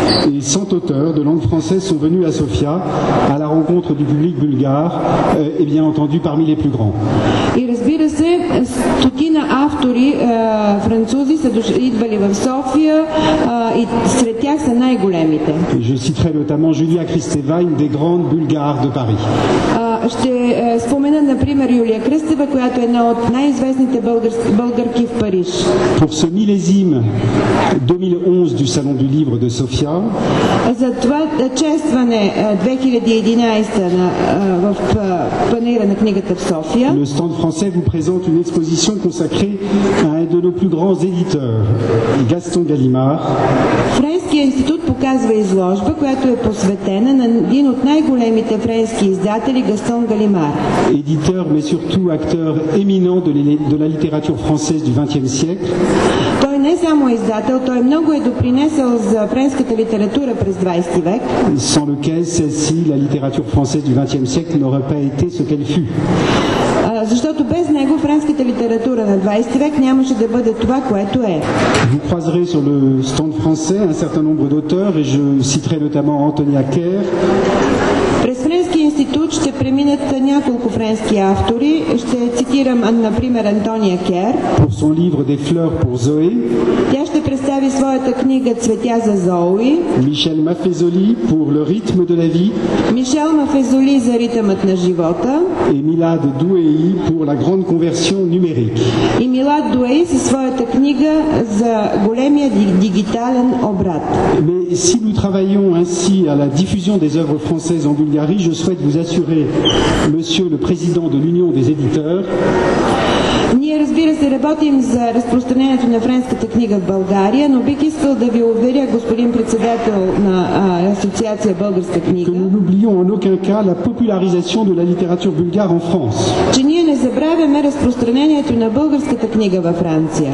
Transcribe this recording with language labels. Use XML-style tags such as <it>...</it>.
<bg>И</bg> <fr>100 auteurs de langue française sont venus à Sofia à la rencontre du public bulgare et bien entendu parmi les plus grands.</fr> <bg>И разбира се, стотина автори французи са идвали в София и сред тях са най-големите.</bg> <fr>Et je citerai notamment Julia Kristeva, une des grandes bulgares de Paris.</fr> <bg>Ще спомена, например, Юлия Кръстева, която е една от най-известните българки в Париж.</bg> <fr>Pour ce millésime 2011 du Salon du Livre de Sofia.</fr> <bg>За това честване 2011 в панаира на книгата в София.</bg> <fr>Le stand français vous présente une exposition consacrée à un de nos plus grands éditeurs, Gaston Gallimard.</fr> <bg>Френският институт показва изложба, която е посветена на един от най-големите френски издатели Гастон Галимар.</bg> <fr>Éditeur mais surtout acteur éminent de la littérature française du 20e siècle.</fr> <bg>Той не само издател, той много е допринесъл за френската литература през 20 век.</bg> <fr>Sans lequel celle-ci, la littérature française du 20e siècle n'aurait pas été ce qu'elle fut.</fr> <bg>защото без него френската литература на 20 век нямаше да бъде това, което е.</bg> <fr>Vous croiserez sur le stand français un certain nombre d'auteurs et je citerai notamment Anthony Acker.</fr> <bg>През Френския институт ще преминат няколко френски автори. Ще цитирам, например, Антония Кер.</bg> <fr>Pour son livre Des fleurs pour Zoé.</fr> <bg>Тя ще представи своята книга Цветя за Зои.</bg> <fr>Michel Maffezoli pour Le rythme de la vie.</fr> <bg>Michel Maffezoli за ритъмът на живота.</bg> <fr>Et Milad Douai pour La grande conversion numérique.</fr> <bg>И Милад Дуей със своята книга за големия дигитален обрат.</bg> <fr>Mais si nous travaillons ainsi à la diffusion des œuvres françaises en Bulgarie, je souhaite vous assurer, monsieur le président de l'Union des éditeurs.</fr> <bg>Ние, разбира се, работим за разпространението на френската книга в България, но бих искал да ви уверя, господин председател на Асоциация Българска книга,</bg> <fr>que nous n'oublions en aucun cas la popularisation de la littérature bulgare en France.</fr> <bg>Че ние не забравяме разпространението на българската книга във Франция.</bg>